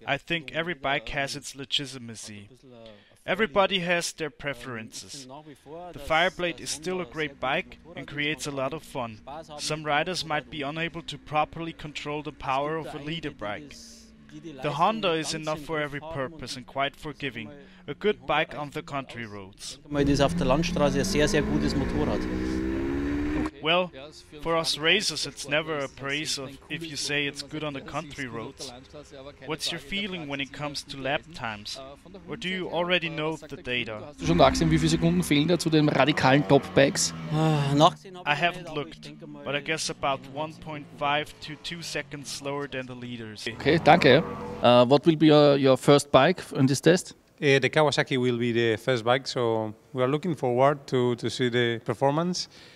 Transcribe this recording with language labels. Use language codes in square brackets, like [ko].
[en] I think every bike has its legitimacy. Everybody has their preferences. The Fireblade is still a great bike and creates a lot of fun. Some riders might be unable to properly control the power of a leader bike. The Honda is enough for every purpose and quite forgiving. A good bike on the country roads. It is [de] auf der Landstraße ein sehr, sehr gutes Motorrad. [en] Well, for us racers, it's never a praise of if you say it's good on the country roads. What's your feeling when it comes to lap times? Or do you already know the data? [de] Schon nachsehen, wie viele Sekunden fehlen da zu den radikalen Top-Bikes? [en] I haven't looked, but I guess about 1.5 to 2 seconds slower than the leaders. [de] Okay, danke. [en] What will be your first bike in this test? The Kawasaki will be the first bike, so we are looking forward to see the performance.